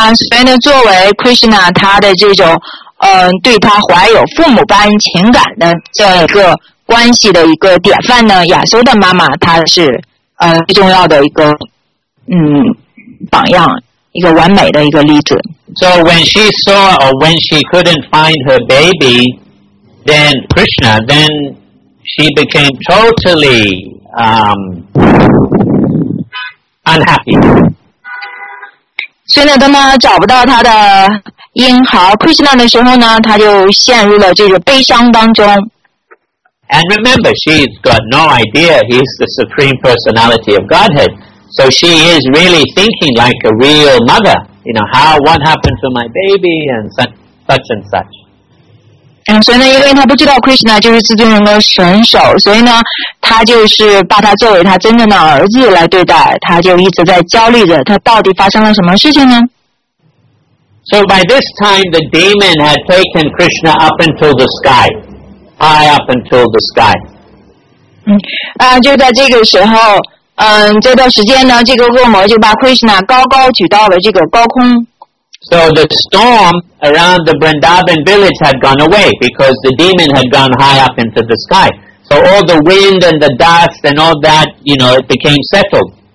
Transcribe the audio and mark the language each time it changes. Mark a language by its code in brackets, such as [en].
[zh] 所以呢，作为 Krishna 他的这种对他怀有父母般情感的这一个关系的一个典范呢，亚修的妈妈她是最重要的一个榜样，一个完美的一个例子。 [en] So when she saw or when she couldn't find her baby. Then Krishna, then she became totally unhappy. [zh] 所以呢，当他找不到他的婴孩 Krishna 的时候呢，他就陷入了这个悲伤当中。 [en] And remember, she's got no idea he's the Supreme Personality of Godhead. So she is really thinking like a real mother. You know, how, what happened to my baby and such and such. [zh] 所以呢，因为他不知道 Krishna 就是至尊人的神手，所以呢，他就是把他作为他真正的儿子来对待，他就一直在焦虑着，他到底发生了什么事情呢 [en] ？So by this time, the demon had taken Krishna up into the sky, high up into the sky. [zh] 就在这个时候，这段时间呢，这个恶魔就把 Krishna 高高举到了这个高空。 [en] So the storm around the Vrindavan village had gone away because the demon had gone high up into the sky. So all the wind and the dust and all that, you know, it became settled.